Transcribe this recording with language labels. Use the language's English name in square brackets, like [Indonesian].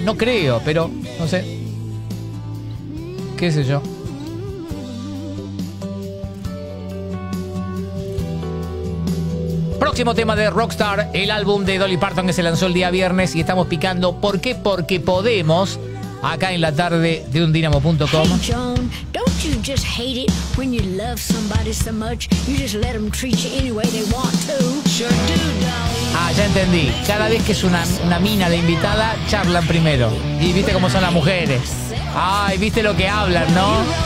[Spanish] No creo, pero no sé. Qué sé yo. Próximo tema de Rockstar, el álbum de Dolly Parton que se lanzó el día viernes y estamos picando. ¿Por qué? Porque podemos... acá en la tarde de undinamo.com. [English] Hey John, don't you just hate it when you love somebody so much you just let them treat you any way they want to? Sure do, don't. [Spanish] Ah, ya entendí. Cada vez que es una mina de invitada, charlan primero. Y viste cómo son las mujeres. Ay, viste lo que hablan, ¿no?